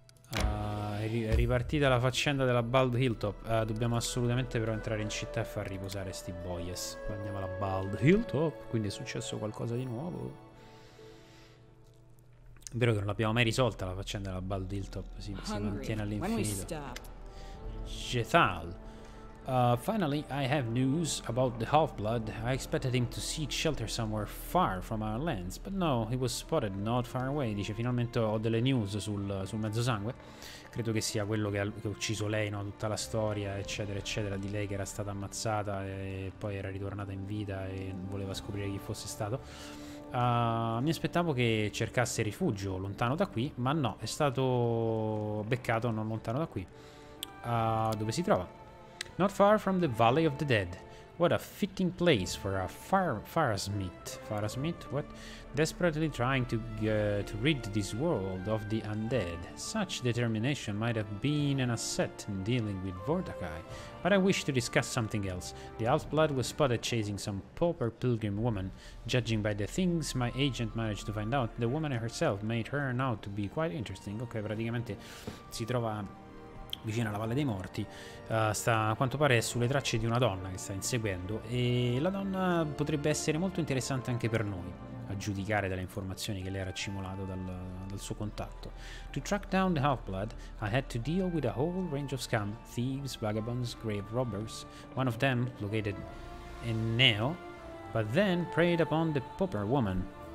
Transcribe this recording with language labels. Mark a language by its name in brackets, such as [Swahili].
[Italian] È ripartita la faccenda della Bald Hilltop. Dobbiamo assolutamente però entrare in città e far riposare sti boys. Andiamo alla Bald Hilltop. Quindi è successo qualcosa di nuovo. È vero che non l'abbiamo mai risolta la faccenda della Bald Hilltop. Si mantiene all'infinito. Jethal. [English] Finally, I have news about the Half-Blood. I expected him to seek shelter somewhere far from our lands, but no, he was spotted not far away. [Italian] Dice, finalmente ho delle news sul Mezzosangue. Credo che sia quello che ha ucciso lei, no? Tutta la storia, eccetera, eccetera, di lei che era stata ammazzata e poi era ritornata in vita e voleva scoprire chi fosse stato. Mi aspettavo che cercasse rifugio lontano da qui, ma no, è stato beccato non lontano da qui. Dove si trova? [English] Not far from the Valley of the Dead. What a fitting place for a Farasmith. Farasmith? What? Desperately trying to rid this world of the undead. Such determination might have been an asset in dealing with Vordakai. But I wish to discuss something else. The Half-Blood was spotted chasing some pauper pilgrim woman. Judging by the things my agent managed to find out, the woman herself made her out to be quite interesting. [Italian] Ok, praticamente si trova vicino alla Valle dei Morti, sta, a quanto pare è sulle tracce di una donna che sta inseguendo, e la donna potrebbe essere molto interessante anche per noi, a giudicare dalle informazioni che lei ha raccimolato dal suo contatto. [English] To track down the Half-Blood, I had to deal with a whole range of scum, thieves, vagabonds, grave robbers, one of them located in Neo, but then preyed upon the pauper woman,